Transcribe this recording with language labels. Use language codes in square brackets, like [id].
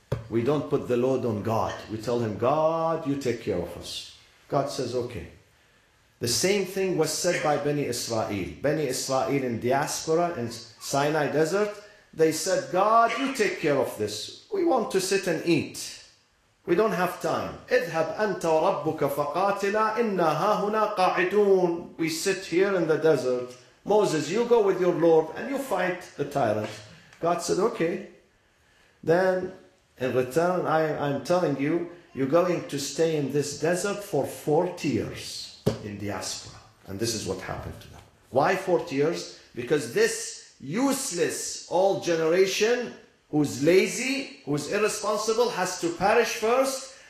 [en] We don't put the load on God. We tell him, God, you take care of us. God says, okay. The same thing was said by Bani Israel. Bani Israel in diaspora in Sinai desert, they said, God, you take care of this. We want to sit and eat. We don't have time. [ar] اذهب أنت وربك فقاتلا إنا هاهنا قاعدون. [en] We sit here in the desert. Moses, you go with your Lord and you fight the tyrant. God said, okay. Then in return, I'm telling you, you're going to stay in this desert for 40 years in diaspora. And this is what happened to them. Why 40 years? Because this useless old generation who's lazy, who's irresponsible, has to perish first.